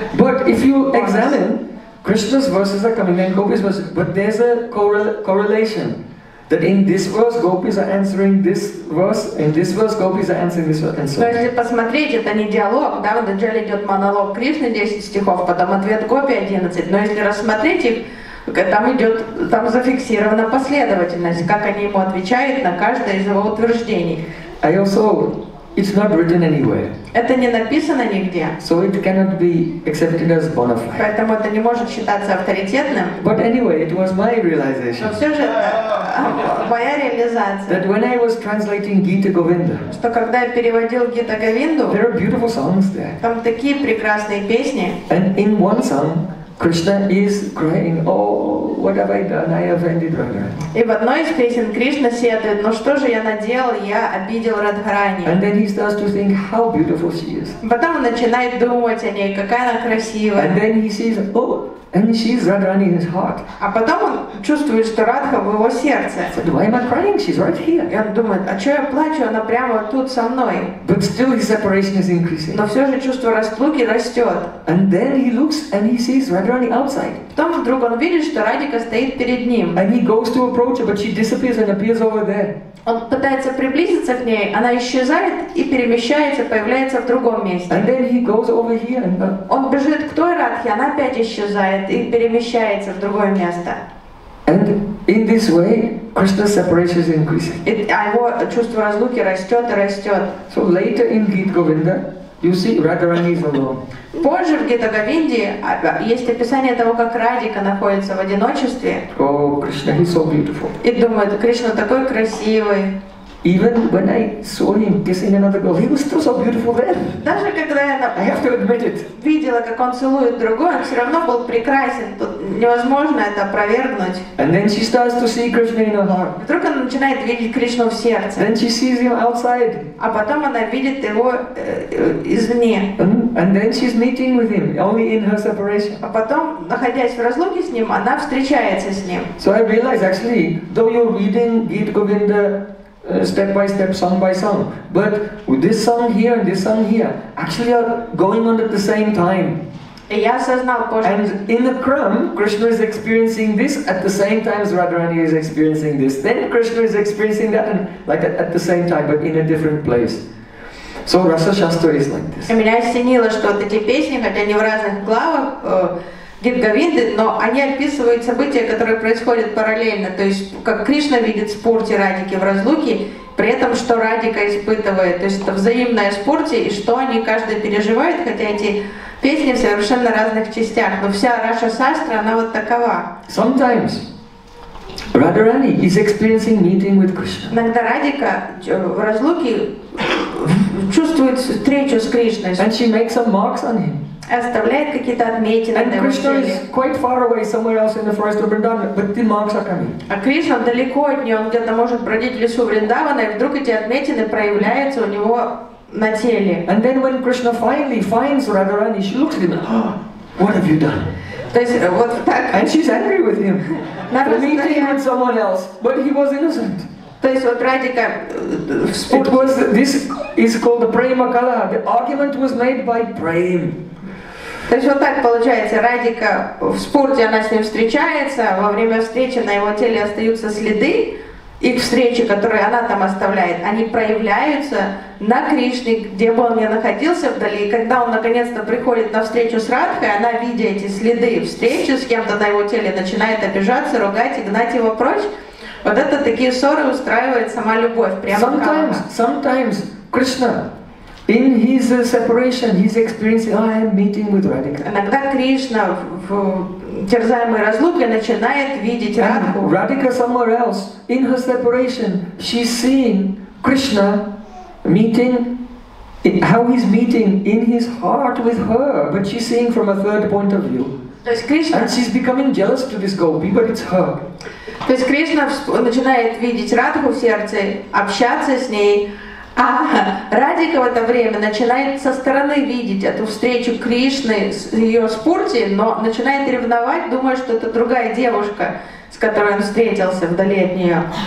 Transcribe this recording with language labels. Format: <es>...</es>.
<en>But if you examine Krishna's verses are coming and gopis verses, but there's a correlation that in this verse gopis are answering this verse, in this verse gopis are answering this verse, and so on.</en> <ru>Если посмотреть, это не диалог, да, в начале идет монолог Кришны 10 стихов, потом ответ гопи 11, но если рассмотреть их, там зафиксирована последовательность, как они ему отвечают на каждое из его утверждений.</ru> <en>I also, it's not written anywhere.</en> <ru>Это не написано нигде.</ru> <en>So it cannot be accepted as bona fide.</en> <ru>Поэтому это не может считаться авторитетным.</ru> <en>But anyway, it was my realization.</en> <ru>Но все же моя реализация.</ru> <en>That when I was translating Gita Govinda.</en> <ru>Что когда я переводил Гита Говинду.</ru> <en>There are beautiful songs there.</en> <ru>Там такие прекрасные песни.</ru> <en>And in one song, Krishna is crying, oh, what have I done? I offended Radharani.</en> <ru>И в одной из песен Кришна сетует, ну что же я наделал, я обидел Радхарани.</ru> <en>And then he starts to think how beautiful she is.</en> <ru>Потом он начинает думать о ней, какая она красивая.</ru> <en>And then he sees, oh, and she's Radharani in his heart.</en> <ru>А потом он чувствует, что Радха в его сердце.</ru> <en>But why am I crying? She's right here.</en> <ru>И он думает, а что я плачу, она прямо тут со мной.</ru> <en>But still his separation is increasing.</en> <ru>Но все же чувство расплуги растет.</ru> <en>And then he looks and he sees Radharani outside.</en> <ru>Потом вдруг он видит, что Радика стоит перед ним.</ru> <en>And he goes to approach her, but she disappears and appears over there.</en> <ru>Он пытается приблизиться к ней, она исчезает и перемещается, появляется в другом месте.</ru> <en>And then he goes over here and...</en> <ru>Он бежит к той Радхе, она опять исчезает и перемещается в другое место.</ru> <en>And in this way, Krishna's separation is increasing.</en> <ru>It, а его чувство разлуки растет и растет.</ru> <en>So later in Gita Govinda, you see Radharani is alone.</en> <ru>Позже в Гита Говинде есть описание того, как Радика находится в одиночестве.</ru> <en>Oh, Krishna, he's so beautiful.</en> <ru>И думает, Кришна такой красивый.</ru> <en>Even when I saw him kissing another girl, he was still so beautiful then.</en> <ru>Даже когда я видела, как он целует другую, он все равно был прекрасен. Тут невозможно это опровергнуть.</ru> <en>And then she starts to see Krishna in her heart.</en> <ru>Вдруг она начинает видеть Кришну в сердце.</ru> <en>Then she sees him outside.</en> <ru>А потом она видит его извне.</ru> <en>And then she's meeting with him only in her separation.</en> <ru>А потом, находясь в разлуке с ним, она встречается с ним.</ru> <en>So I realize actually, though you're reading Gita Govinda step by step, song by song, but with this song here and this song here actually are going on at the same time. Yes, as now. And in the Kram, Krishna is experiencing this at the same time as Radharani is experiencing this. Then Krishna is experiencing that, and like at the same time, but in a different place. So Rasa Shastra is like this.</en> <ru>Меня осенило, что эти песни, хотя они в разных главах Гит Говинды, но они описывают события, которые происходят параллельно, то есть как Кришна видит спорти Радики в разлуке, при этом что Радика испытывает, то есть это взаимное спорти и что они каждый переживает, хотя эти песни в совершенно разных частях, но вся Раша Састра, она вот такова.</ru> <en>Sometimes Radharani is experiencing meeting with Krishna.</en> <ru>Иногда Радика в разлуке чувствует встречу с Кришной.</ru> <en>And she makes some marks on him.</en> <ru>Оставляет какие-то отметины.</ru> <en>And Krishna is quite far away, somewhere else in the forest of Vrindavan, but the marks are coming.</en> <ru>А Кришна далеко от нее, он где-то может бродить в лесу Вриндавана, и вдруг эти отметины проявляются у него на теле.</ru> <en>And then when Krishna finally finds Radharani, she looks at him, oh, what have you done?</en> <ru>То есть вот так.</ru> <en>And she's angry with him. Meeting with someone else, but he was innocent.</en> <ru>То есть вот Радика.</ru> <en>It was this is called the prema kala. The argument was made by prem.</en> <ru>То есть вот так получается, Радика в спорте, она с ним встречается, во время встречи на его теле остаются следы их встречи, которые она там оставляет, они проявляются на Кришне, где бы он ни находился вдали, и когда он наконец-то приходит на встречу с Радхой, она, видя эти следы встречи с кем-то на его теле, начинает обижаться, ругать и гнать его прочь. Вот это такие ссоры устраивает сама любовь, прямо как она.</ru> <en>Sometimes Krishna in his separation, he's experiencing, oh, I am meeting with Radhika.</en> <ru>Иногда Кришна в терзаемой разлуке начинает видеть Радху.</ru> <en>Radhika somewhere else, in her separation, she's seeing Krishna meeting, how he's meeting in his heart with her, but she's seeing from a third point of view.</en> <ru>То есть Кришна.</ru> <en>And she's becoming jealous to this gopi, but it's her.</en> <ru>То есть Кришна начинает видеть Радху в сердце, общаться с ней. А Радика в это время начинает со стороны видеть эту встречу Кришны с ее спорти, но начинает ревновать, думая, что это другая девушка, с которой он встретился вдали от нее.</ru>